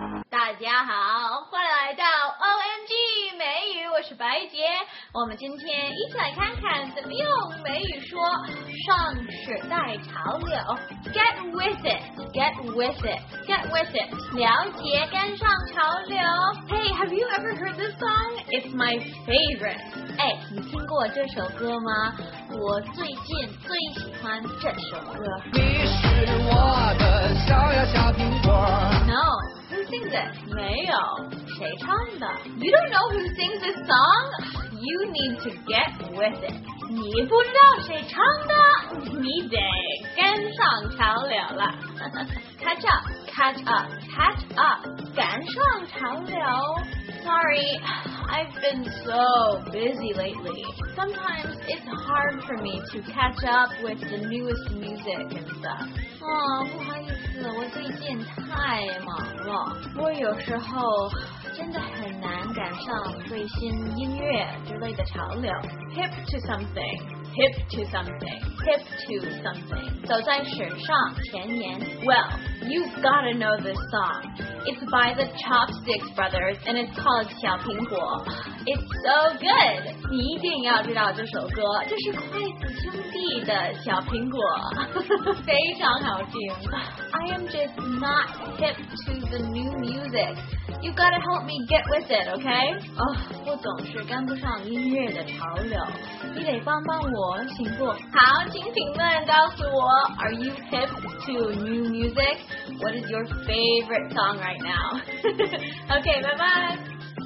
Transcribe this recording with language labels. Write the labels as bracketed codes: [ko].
[zh] 大家好，欢迎来到 OMG 美语，我是白杰。我们今天一起来看看怎么用美语说上时代潮流。 [en] Get with it, get with it, get with it. [zh] 了解跟上潮流。 [en] Hey, have you ever heard this song? It's my favorite. [zh] 哎，你听过这首歌吗？我最近最喜欢这首歌。你是我的小呀小苹果。 No. 没有，谁唱的？ [en] You don't know who sings this song? You need to get with it. [zh] 你不知道谁唱的？你得跟上潮流了。 [en] Catch up, catch up, catch up. [zh] 赶上潮流。 [en] Sorry, I've been so busy lately. Sometimes it's hard for me to catch up with the newest music and stuff. [zh] 不好意思，我最近太忙了。我有时候真的很难赶上最新音乐之类的潮流。 [en] Hip to something, hip to something, hip to something. [zh] 走在时尚前沿。 [en] Well, you've gotta know this song. It's by the Chopsticks Brothers, and it's called 小苹果. It's so good! [zh] 你一定要知道这首歌，这是筷子兄弟的小苹果，非常好听。 [en] I am just not hip to the new music. You gotta help me get with it, okay? [zh] 我总是跟不上音乐的潮流，你得帮帮我，行不？好，请评论告诉我 [en] ，Are you hip to new music? What is your favorite song right now? Okay, bye-bye.